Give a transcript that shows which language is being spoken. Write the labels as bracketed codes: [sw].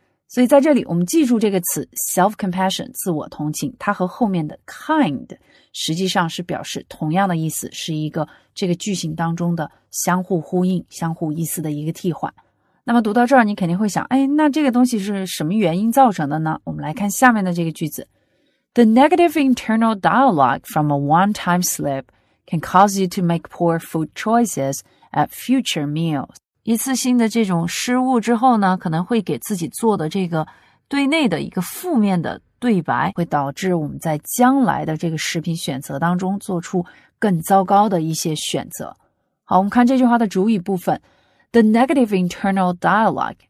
[zh] 所以在这里我们记住这个词 self-compassion 自我同情，它和后面的 kind 实际上是表示同样的意思，是一个这个句型当中的相互呼应相互意思的一个替换。那么读到这儿你肯定会想，哎，那这个东西是什么原因造成的呢？我们来看下面的这个句子。 [en] The negative internal dialogue from a one-time slipcan cause you to make poor food choices at future meals. [zh] 一次性的这种失误之后呢，可能会给自己做的这个对内的一个负面的对白，会导致我们在将来的这个食品选择当中做出更糟糕的一些选择。好，我们看这句话的主语部分。 [en] The negative internal dialogue.